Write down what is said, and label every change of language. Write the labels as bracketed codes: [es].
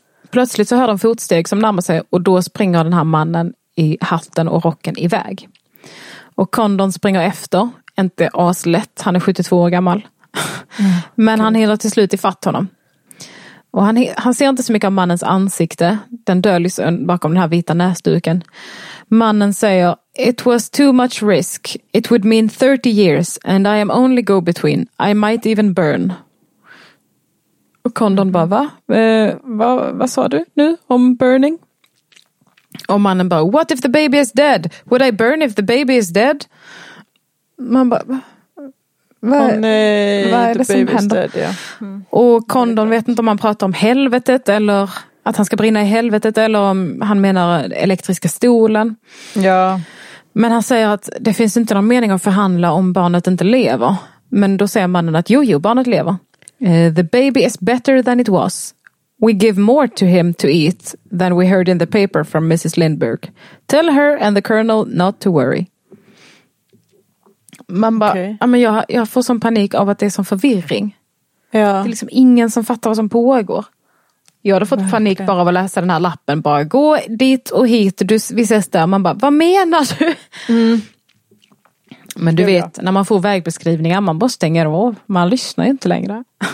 [sv] Plötsligt så hör de fotsteg som närmar sig och då springer den här mannen i hatten och rocken iväg. Och Condon springer efter, inte aslätt, han är 72 år gammal. Mm. Men han hinner till slut ifatt honom. Och han ser inte så mycket av mannens ansikte. Den döljs bakom den här vita näsduken. Mannen säger: [en] "It was too much risk. It would mean 30 years and I am only go between. I might even burn." [sv] Och Condon bara, vad sa du nu om burning? Och mannen bara, [en] "What if the baby is dead? Would I burn if the baby is dead?" [sv] Man bara, Vad är det som händer? Och Condon vet inte om han pratar om helvetet eller att han ska brinna i helvetet eller om han menar elektriska stolen. Ja. Men han säger att det finns inte någon mening att förhandla om barnet inte lever. Men då säger mannen att jo, barnet lever. [en] The baby is better than it was. We give more to him to eat than we heard in the paper from Mrs. Lindberg. Tell her and the colonel not to worry. [sv] Man bara, okay. Ja, men jag får sån panik av att det är sån förvirring. Ja. Det är liksom ingen som fattar vad som pågår. Jag hade fått panik bara av att läsa den här lappen. Bara gå dit och hit, vi ses där. Man bara, vad menar du? Mm. Men du vet, när man får vägbeskrivningar, man bara stänger av. Man lyssnar ju inte längre.